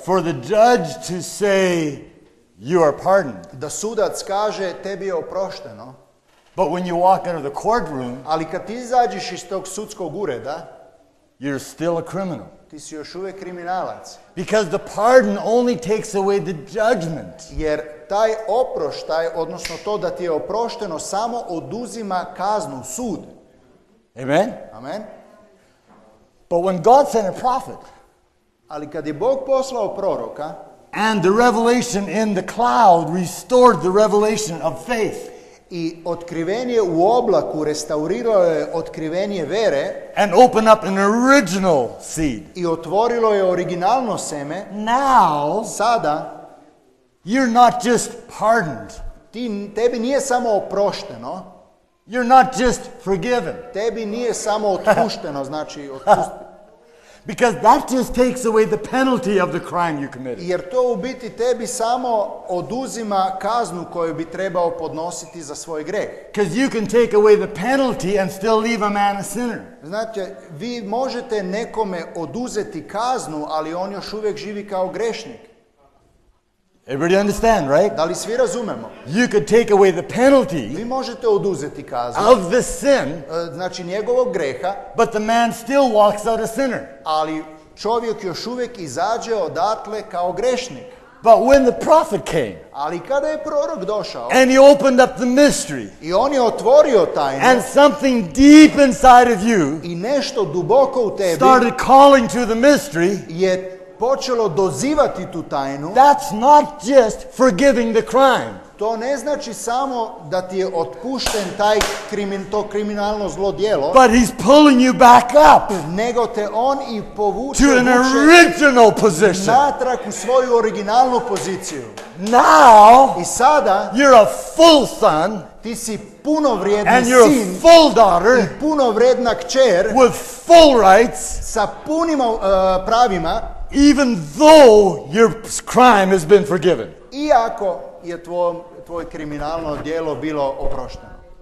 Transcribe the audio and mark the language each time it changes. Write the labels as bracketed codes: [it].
[en] for the judge to say you are pardoned. [hr] Da sudac kaže tebi je oprošteno. [en] But when you walk into the courtroom, [hr] ali kad ti izađeš iz tog sudskog ureda, [en] you're still a criminal. [hr] Ti si još uvijek kriminalac. [en] Because the pardon only takes away the judgment. [hr] Jer taj oproštaj, odnosno to da ti je oprošteno, samo oduzima kaznu, sud. [en] Amen. [hr] Amen. [en] But when God sent a prophet, [hr] ali kad je Bog poslao proroka, [en] and the revelation in the cloud restored the revelation of faith, [hr] I otkrivenje u oblaku restaurirao je otkrivenje vere. [en] And open up an original seed. [hr] I otvorilo je originalno seme. [en] Now, [hr] sada, [en] you're not just pardoned. [hr] Tebi nije samo oprošteno. [en] You're not just forgiven. [hr] Tebi nije samo otpušteno, znači otpušteno. [en] Because that just takes away the penalty of the crime you committed. [hr] Jer to u biti tebi samo oduzima kaznu koju bi trebao podnositi za svoj greh. [en] Because you can take away the penalty and still leave a man a sinner. [hr] Znate, vi možete nekome oduzeti kaznu, ali on još uvijek živi kao grešnik. [en] Everybody understand, right? [hr] Da li svi razumemo? [en] You could take away the penalty. [hr] Vi možete oduzeti kaznu. [en] Of the sin. [hr] Znači njegovog greha. [en] But the man still walks out a sinner. [hr] Ali čovjek još uvijek izađe odatle kao grešnik. [en] But when the prophet came. [hr] Ali kada je prorok došao. [en] And he opened up the mystery. [hr] I on je otvorio tajnu. [en] And something deep inside of you. [hr] I nešto duboko u tebi. [en] Started calling to the mystery. [hr] Je počelo dozivati tu tajnu. [en] That's not just forgiving the crime. [hr] To ne znači samo da ti je otpušten taj to kriminalno zlo djelo. [en] But he's pulling you back up. [hr] Nego te on i povuče [en] to an original position. [hr] Natrag u svoju originalnu poziciju. [en] Now, [hr] i sada, [en] you're a full son. [hr] Ti si punovrijedni sin. [en] And you're a full daughter. [hr] I punovredna kćer. [en] With full rights. [hr] Sa punim pravima. [en] Even though your crime has been forgiven. [hr] Iako je tvoje kriminalno djelo bilo oprošteno.